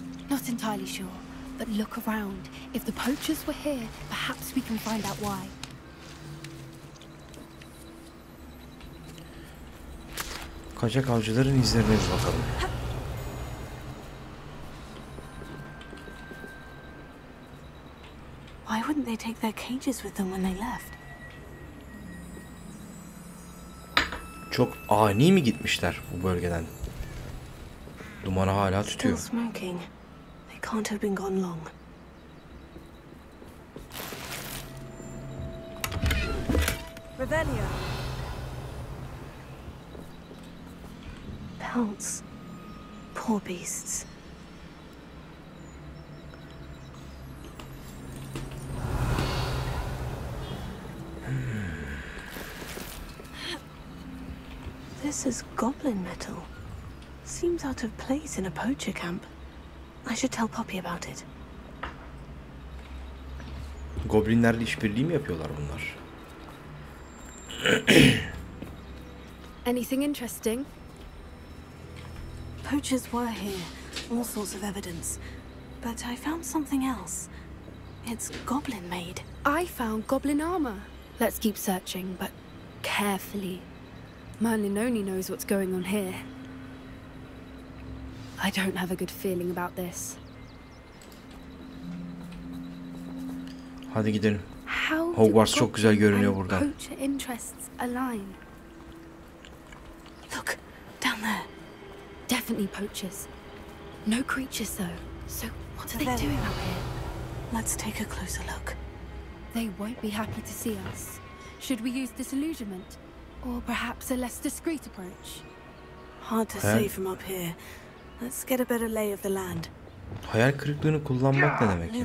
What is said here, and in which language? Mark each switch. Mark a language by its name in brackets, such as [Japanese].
[English] Not entirely sure, but look around. If the poachers were here, perhaps we can find out why. [Turkish] Kaçak avcıların izlerine bir bakalım. [English] Why wouldn't they take their cages with them when they left? [Turkish] Çok ani mi gitmişler bu bölgeden? Dumanı hala tutuyor. [English] Still smoking. They can't have been gone long. Revelio. Pelts. Poor beasts. This is goblin metal. Seems out of place in a poacher camp. I should tell Poppy about it. [Turkish] Goblinlerle işbirliği mi yapıyorlar bunlar? [English] Anything interesting? Poachers were here. All sorts of evidence. But I found something else. It's goblin made. I found goblin armor. Let's keep searching, but carefully. Merlin only knows what's going on here. I don't have a good feeling about this. [Turkish] Hadi gidelim. Hogwarts çok güzel görünüyor burada. [English] Poacher interests align. Look, down there. Definitely poachers. No creatures though. So what are they doing up here? Let's take a closer look. They won't be happy to see us. Should we use disillusionment? Or perhaps a less discreet approach? Hard to say from up here. Let's get a better lay of the land. [Turkish] Hayal kırıklığını kullanmak ne demek ya?